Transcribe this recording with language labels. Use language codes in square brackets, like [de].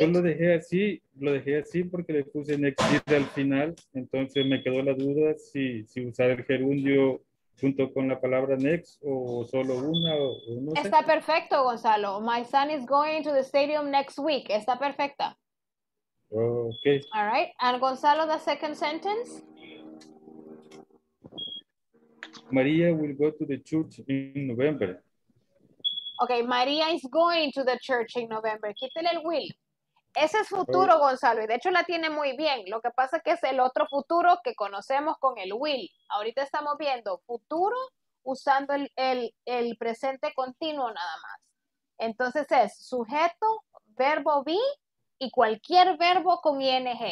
[es] Yo lo dejé así porque le puse next year al final, entonces me quedó la duda si usar el gerundio junto con la palabra next o solo una o no sé. Está perfecto, Gonzalo. [en] My son is going to the stadium next week. [es] Está perfecta. [en] Okay. All right. And Gonzalo, the second sentence. Maria will go to the church in November. Okay, María is going to the church in November. [es] Quítele el will. Ese es futuro, Gonzalo, y de hecho la tiene muy bien. Lo que pasa es que es el otro futuro que conocemos con el will. Ahorita estamos viendo futuro usando el presente continuo nada más. Entonces es sujeto, verbo be, y cualquier verbo con ing.